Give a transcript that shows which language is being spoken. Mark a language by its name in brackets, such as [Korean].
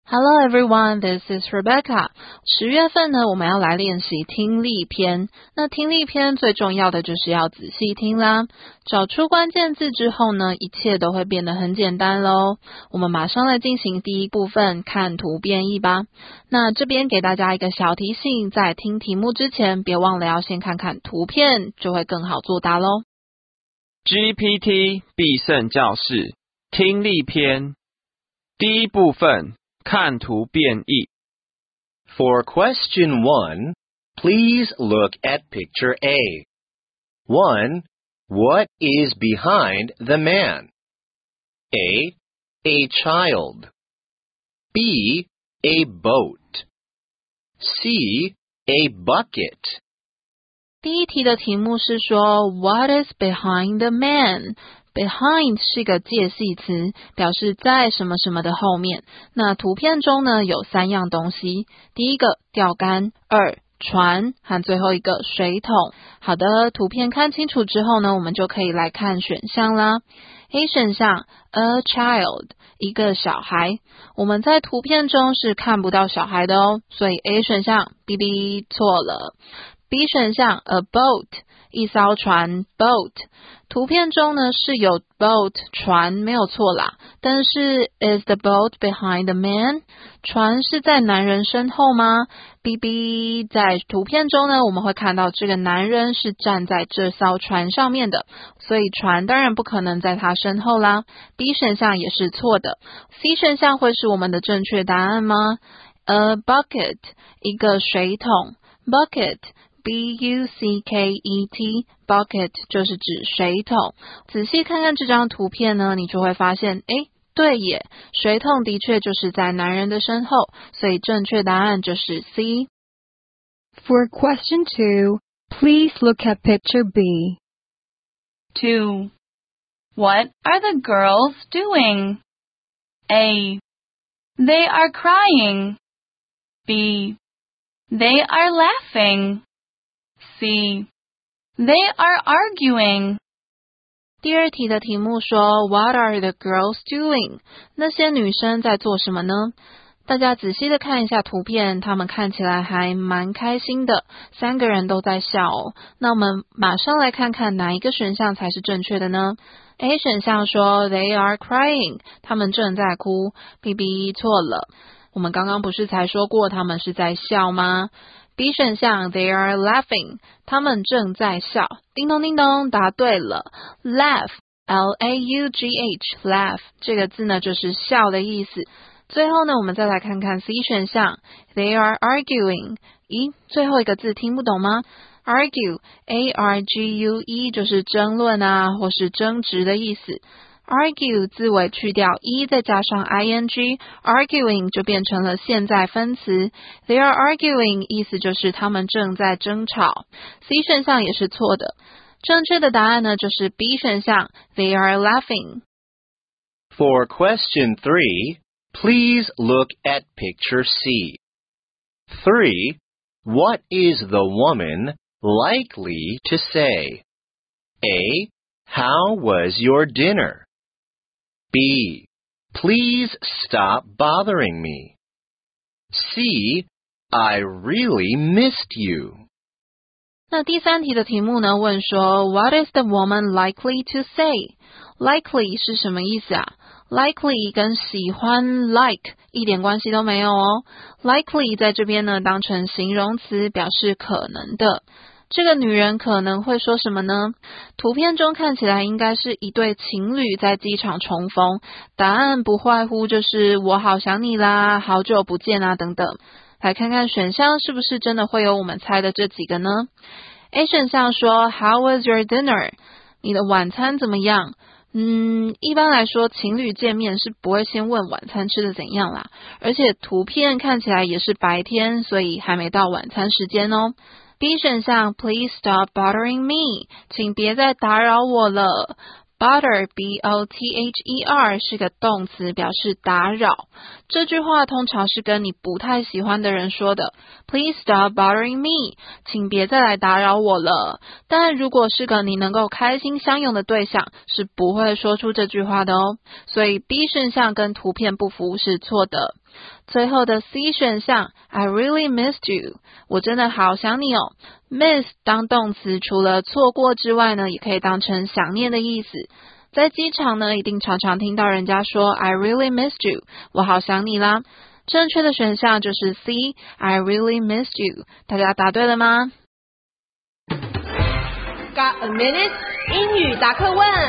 [English] Hello everyone, this is Rebecca. [Chinese] 10月份呢，我们要来练习听力篇。那听力篇最重要的就是要仔细听啦。找出关键字之后呢，一切都会变得很简单咯。我们马上来进行第一部分，看图编译吧。那这边给大家一个小提醒，在听题目之前，别忘了要先看看图片，就会更好作答咯。 GPT 必胜教室听力篇第一部分，看图变译。 [English] For question 1, please look at picture A. 1. What is behind the man? A. A child. B. A boat. C. A bucket. [Chinese] 第一题的题目是说 [English] What is behind the man? [Chinese] Behind 是个介系词，表示在什么什么的后面。那图片中呢，有三样东西。第一个，钓竿；二，船；和最后一个，水桶。好的，图片看清楚之后呢，我们就可以来看选项啦。 A 选项 , [English] a child, [Chinese] 一个小孩。我们在图片中是看不到小孩的哦，所以 A 选项哔哔错了。 B 选项 , [English] a boat, [Chinese] 一艘船 boat， 图片中呢是有 boat 船没有错啦，但是 [English] is the boat behind the man？ [Chinese] 船是在男人身后吗 ？BB， 在图片中呢，我们会看到这个男人是站在这艘船上面的，所以船当然不可能在他身后啦。 B 选项也是错的 ，C 选项会是我们的正确答案吗 ？ [English] A bucket， [Chinese] 一个水桶 bucket。 B-U-C-K-E-T, bucket, 就是指水桶。仔细看看这张图片呢，你就会发现，诶，对耶，水桶的确就是在男人的身后，所以正确答案就是 C。 [English] For question 2, please look at picture B. 2. What are the girls doing? A. They are crying. B. They are laughing. C. They are arguing. [Chinese] 第二题的题目说 [English] What are the girls doing? [Chinese] 那些女生在做什么呢？大家仔细的看一下图片，她们看起来还蛮开心的，三个人都在笑哦。那我们马上来看看哪一个选项才是正确的呢？ A 选项说 [English] They are crying， [Chinese] 她们正在哭。 BB 错了，我们刚刚不是才说过她们是在笑吗？ B 选项 , [English] they are laughing, [Chinese] 他们正在笑。叮咚叮咚，答对了。 laugh, L-A-U-G-H, laugh, 这个字呢就是笑的意思。最后呢，我们再来看看 C 选项 , [English] they are arguing, [Chinese] 咦，最后一个字听不懂吗？ argue, A-R-G-U-E, 就是争论啊，或是争执的意思。 argue 字尾去掉 e 再加上 ing， arguing 就变成了现在分词。 [English] They are arguing [Chinese] 意思就是他们正在争吵。 C 选项也是错的，正确的答案呢就是 B 选项 [English] They are laughing. For question 3, please look at picture C. 3. What is the woman likely to say? A. How was your dinner? B. Please stop bothering me. C. I really missed you. [Chinese] 那第三题的题目呢，问说 [English] What is the woman likely to say? [Chinese] Likely 是什么意思啊？Likely 跟喜欢 like 一点关系都没有哦。 Likely 在这边呢，当成形容词，表示可能的。这个女人可能会说什么呢？图片中看起来应该是一对情侣在机场重逢，答案不外乎就是我好想你啦，好久不见啊等等。来看看选项是不是真的会有我们猜的这几个呢？ A 选项说 [English] How was your dinner? [Chinese] 你的晚餐怎么样？一般来说情侣见面是不会先问晚餐吃的怎样啦，而且图片看起来也是白天，所以还没到晚餐时间哦。 B 选项 [English] Please stop bothering me， [Chinese] 请别再打扰我了。 Bother B-O-T-H-E-R 是个动词，表示打扰。这句话通常是跟你不太喜欢的人说的， [English] Please stop bothering me， [Chinese] 请别再来打扰我了。但如果是个你能够开心相拥的对象，是不会说出这句话的哦。所以 B 选项跟图片不符是错的。最后的 C 选项 [English] I really missed you [Chinese] 我真的好想你哦 Miss 当动词除了错过之外呢也可以当成想念的意思在机场呢一定常常听到人家说 I really missed you 我好想你啦正确的选项就是 C I really missed you 大家答对了吗 [English] Got a minute [Chinese] 英语答客问